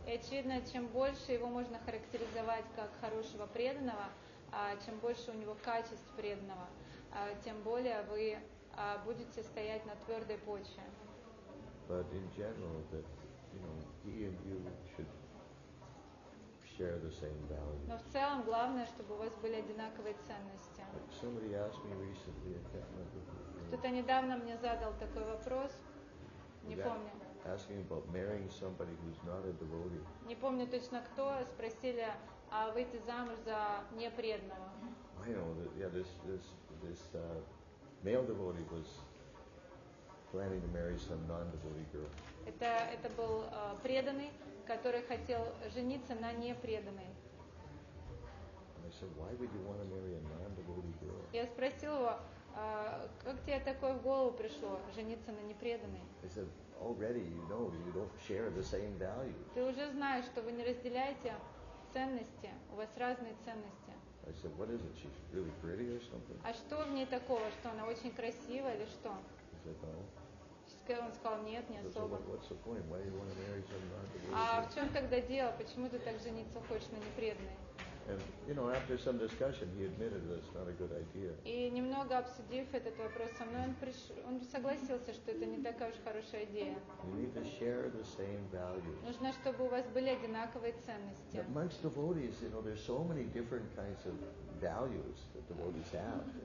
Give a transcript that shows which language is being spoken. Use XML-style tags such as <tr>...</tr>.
<ru>И очевидно, чем больше его можно характеризовать как хорошего преданного, чем больше у него качеств преданного, тем более вы будете стоять на твердой почве.</ru> <en>But in general, that, you know, he and you should share the same values.</en> <ru>Но в целом главное, чтобы у вас были одинаковые ценности.</ru> <en>Somebody asked me recently, I can't remember.</en> <ru>Кто-то недавно мне задал такой вопрос, не помню.</ru> <en>Asking about marrying somebody who's not a devotee.</en> <ru>Не помню точно кто, спросили, а выйти замуж за непреданного.</ru> <en>I know that, yeah, this male devotee was planning to marry some non-devotee girl.</en> <ru>Это был преданный, который хотел жениться на непреданной.</ru> <en>And I said, why would you want to marry a non-devotee girl?</en> <ru>Я спросил его, как тебе такое в голову пришло, жениться на непреданной?</ru> <en>He said, already you know you don't share the same value.</en> <ru>Ты уже знаешь, что вы не разделяете ценности, у вас разные ценности.</ru> <en>I said, what is it? She's really pretty or something?</en> <ru>А что в ней такого, что она очень красивая или что?</ru> <en>He said, no.</en> <ru>Он сказал, нет, не особо.</ru> <en>So what's the point? Why do you want to marry someone?</en> <ru>А в чем тогда дело? Почему ты так жениться хочешь на непреданной?</ru> <en>And, you know, after some discussion, he admitted that it's not a good idea.</en> <ru>И немного обсудив этот вопрос со мной, он согласился, что это не такая уж хорошая идея.</ru> <en>You need to share the same values.</en> <ru>Нужно, чтобы у вас были одинаковые ценности.</ru> <en>But amongst devotees, you know, there's so many different kinds of values that devotees have.</en>